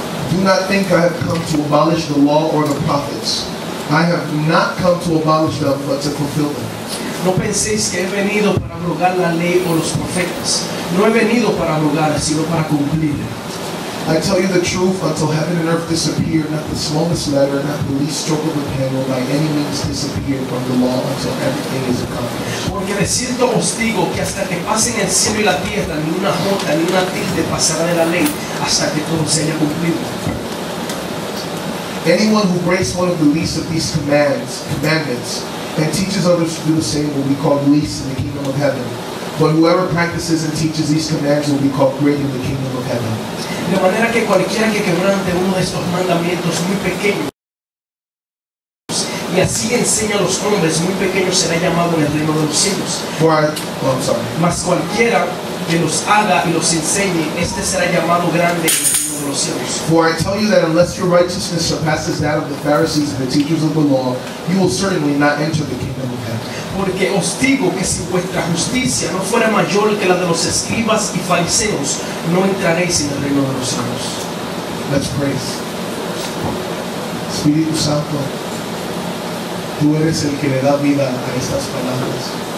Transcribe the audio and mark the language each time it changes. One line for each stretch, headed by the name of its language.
English: Do not think I have come to abolish the law or the prophets. I have not come to abolish them, but to fulfill them.
Spanish: No penséis que he venido para abrogar la ley o los profetas. No he venido para abrogar, sino para cumplir.
English: I tell you the truth, until heaven and earth disappear, not the smallest letter, not the least stroke of a pen will by any means disappear from the law until everything is accomplished.
Spanish: Porque de cierto os digo que hasta que pasen el cielo y la tierra, ni una jota ni una tilde pasará de la ley hasta que todo se haya cumplido.
English: Anyone who breaks one of the least of these commandments and teaches others to do the same will be called least in the kingdom of heaven. But whoever practices and teaches these commands will be called great in the kingdom of heaven.
Spanish: De manera que cualquiera que quebrante uno de estos mandamientos muy pequeños y así enseña a los hombres muy pequeños será llamado en el reino de los cielos. Mas cualquiera que los haga y los enseñe, este será llamado grande.
English: For I tell you that unless your righteousness surpasses that of the Pharisees and the teachers of the law, you will certainly not enter the kingdom of heaven.
Spanish: Porque os digo que si vuestra justicia no fuera mayor que la de los escribas y fariseos, no entraréis en el reino de los cielos.
English: Let's pray.
Spanish: Espíritu Santo, tú eres el que le da vida a estas palabras.